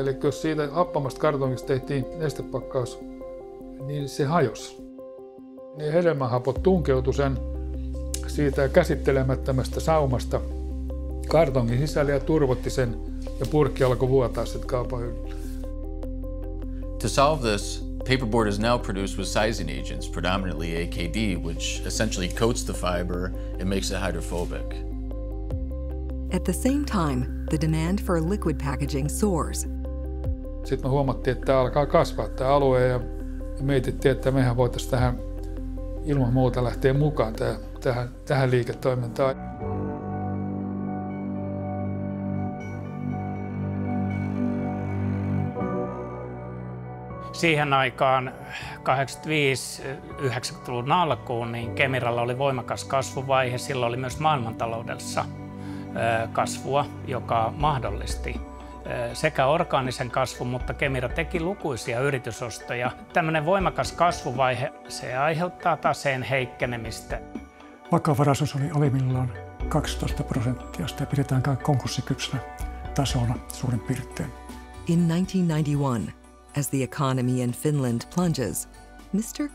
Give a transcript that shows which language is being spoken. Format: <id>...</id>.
<fi>Eli jos siitä happamasta kartongista tehtiin nestepakkaus, niin se hajosi. Niin hedelmähapot tunkeutui sen siitä käsittelemättömästä saumasta kartongin sisällä ja turvotti sen, ja purkki alkoi vuotaa sitten kaupan yllä.</fi> <en>To solve this, paperboard is now produced with sizing agents, predominantly AKD, which essentially coats the fiber and makes it hydrophobic. At the same time, the demand for liquid packaging soars.</en> <fi>Sitten me huomattiin, että tämä alkaa kasvaa tämä alue, ja mietittiin, että mehän voitaisiin tähän ilman muuta lähteä mukaan tähän liiketoimintaan. Siihen aikaan 85-90-luvun alkuun niin Kemiralla oli voimakas kasvuvaihe. Sillä oli myös maailmantaloudessa kasvua, joka mahdollisti sekä orgaanisen kasvun, mutta Kemira teki lukuisia yritysostoja. Tällainen voimakas kasvuvaihe, se aiheuttaa taseen heikkenemistä. Vakavaraisuus oli alimmillaan 12%, sitä pidetään konkurssikypsänä tasona suurin piirtein.</fi> <en>In 1991, as the economy in Finland plunges, Mr.</en>